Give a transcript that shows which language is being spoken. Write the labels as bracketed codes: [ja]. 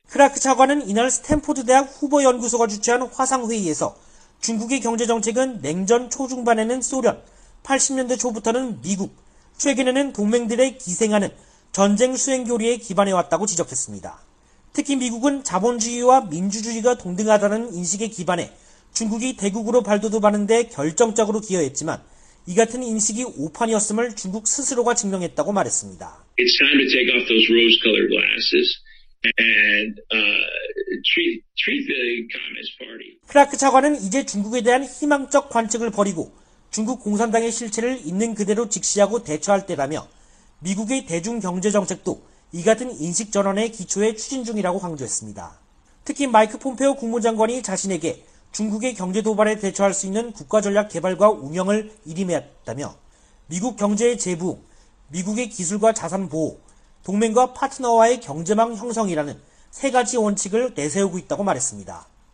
[ko] 크라크 차관은 이날 스탠포드 대학 후보 연구소가 주최한 화상 회의에서 중국의 경제 정책은 냉전 초중반에는 소련, 80년대 초부터는 미국, 최근에는 동맹들의 기생하는 전쟁 수행 교리에 기반해 왔다고 지적했습니다. 특히 미국은 자본주의와 민주주의가 동등하다는 인식에 기반해 중국이 대국으로 발돋움하는 데 결정적으로 기여했지만 이 같은 인식이 오판이었음을 중국 스스로가 증명했다고 말했습니다. [en] It's time to take off those rose-colored glasses and treat the Communist Party. [ko] 크라크 차관은 이제 중국에 대한 희망적 관측을 버리고 중국 공산당의 실체를 있는 그대로 직시하고 대처할 때라며 미국의 대중 경제 정책도 이 같은 인식 전환의 기초에 추진 중이라고 강조했습니다. 특히 마이크 폼페오 국무장관이 자신에게 중국의 경제 도발에 대처할 수 있는 국가 전략 개발과 운영을 일임했다며 미국 경제의 재부흥, 미국의 기술과 자산 보호, 동맹과 파트너와의 경제망 형성이라는 세 가지 원칙을 내세우고 있다고 말했습니다.